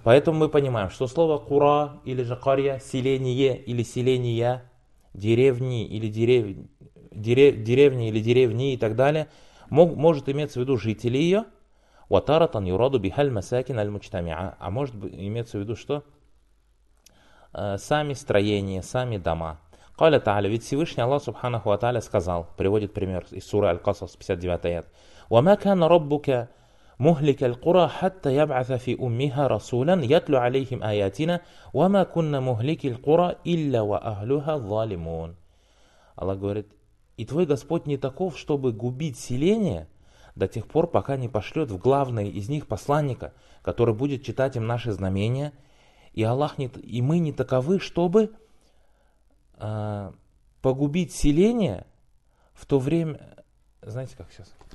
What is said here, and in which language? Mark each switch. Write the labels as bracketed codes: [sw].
[ru] Поэтому мы понимаем, что слово кура или же карья, селение или селения, деревни или деревни или деревни и так далее, может иметься в виду жители ее. [ar] Ва таратан юраду биха аль-масакин аль-мучтамиа. [ru] А может иметься в виду что? Сами строения, сами дома. [ar] Каля тааля. [ru] Ведь Всевышний Аллах Субханаху ва Тааля сказал, приводит пример из суры Аль-Касас, 59 аят. [ar] Ва ма кана раббука مهلك القرى حتى يبعث في أمها رسولا يتلو عليهم آياتنا وما كنا مهلك القرى إلا وأهلها ظالمون. [ru] Аллах говорит, и твой Господь не таков, чтобы губить селение до тех пор, пока не пошлет в главное из них посланника, который будет читать им наши знамения, и Аллах не, и мы не таковы, чтобы погубить селение в то время, знаете как сейчас?